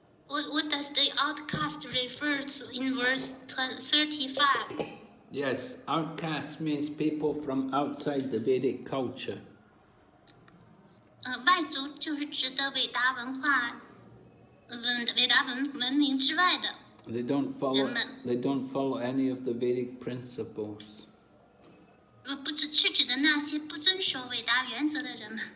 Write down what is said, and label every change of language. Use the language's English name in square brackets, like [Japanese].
[English] What does the outcast refer to in verse 35? Yes, outcast means people from outside the Vedic culture. [Chinese] 外族就是指的伟大文化，伟大文明之外的。 [English] They don't follow any of the Vedic principles. [Chinese] 是指的那些不遵守伟大原则的人们。